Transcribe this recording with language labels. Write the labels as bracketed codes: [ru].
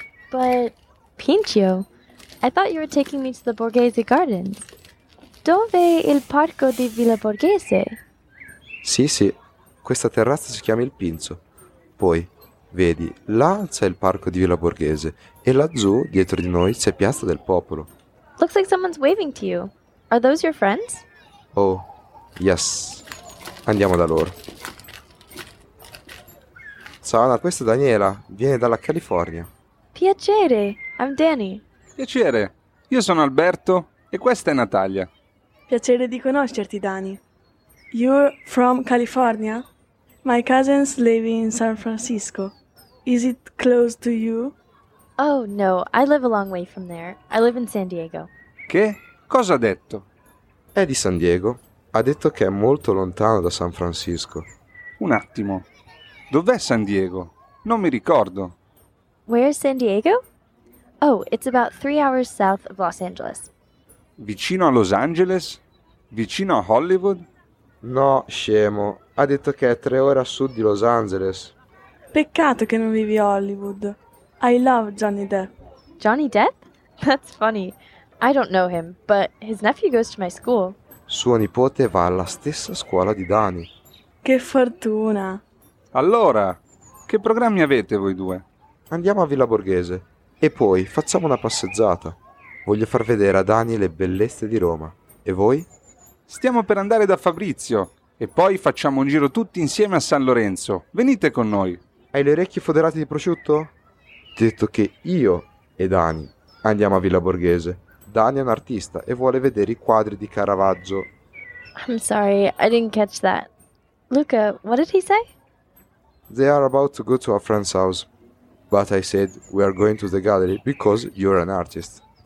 [en] But, Pincio, I thought you were taking me to the Borghese Gardens. [it] Dove il parco di Villa Borghese? Sì, sì, questa terrazza si chiama il Pincio. Poi, vedi, là c'è il parco di Villa Borghese e laggiù, dietro di noi, c'è Piazza del Popolo. [en] Looks like someone's waving to you. Are those your friends? Oh, yes. [it] Andiamo da loro. Ciao Anna, questa è Daniela. Viene dalla California. Piacere, [en] I'm Danny. [it] Piacere, io sono Alberto e questa è Natalia. Piacere di conoscerti, Dani. [en] You're from California? My cousins live in San Francisco. Is it close to you? Oh, no, I live a long way from there. I live in San Diego. [it] Che? Cosa ha detto? È di San Diego. Ha detto che è molto lontano da San Francisco. Un attimo. Dov'è San Diego? Non mi ricordo. [en] Where's San Diego? Oh, it's about 3 hours south of Los Angeles. [it] Vicino a Los Angeles? Vicino a Hollywood? No, scemo. Ha detto che è 3 ore a sud di Los Angeles. Peccato che non vivi a Hollywood. [en] I love Johnny Depp. Johnny Depp? That's funny. I don't know him, but his nephew goes to my school. [it] Suo nipote va alla stessa scuola di Dani. Che fortuna! Allora, che programmi avete voi due? Andiamo a Villa Borghese e poi facciamo una passeggiata. Voglio far vedere a Dani le bellezze di Roma. E voi? Stiamo per andare da Fabrizio e poi facciamo un giro tutti insieme a San Lorenzo. Venite con noi. Hai le orecchie foderate di prosciutto? Detto che io e Dani andiamo a Villa Borghese. Dani è un artista e vuole vedere i quadri di Caravaggio. [en] I'm sorry, I didn't catch that. Luca, what did he say? They are about to go to a friend's house. But I said we are going to the gallery because you're an artist.